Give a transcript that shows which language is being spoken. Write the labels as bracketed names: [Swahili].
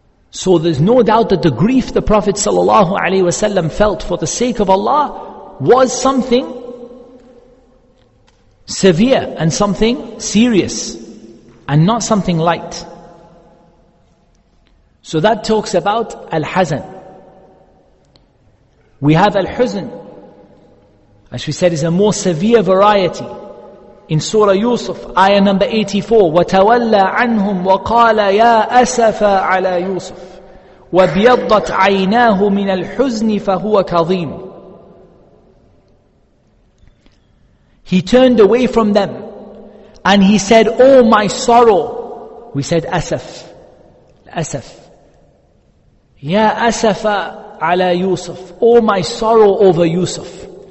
[English] So there's no doubt that the grief the Prophet sallallahu alaihi wasallam felt for the sake of Allah was something severe and something serious and not something light. So that talks about al-hazan. We have al-huzn, as we said, is a more severe variety. In Surah Yusuf, ayah number 84, [Arabic] وَتَوَلَّى عَنْهُمْ وَقَالَ يَا أَسَفَ عَلَى يُوسُفَ وَبْيَضَّتْ عَيْنَاهُ مِنَ الْحُزْنِ فَهُوَ كَظِيمٌ. [English] He turned away from them and he said, oh my sorrow. We said asaf. Asaf. [Arabic] Ya asafa ala Yusuf. [English] Oh my sorrow over Yusuf.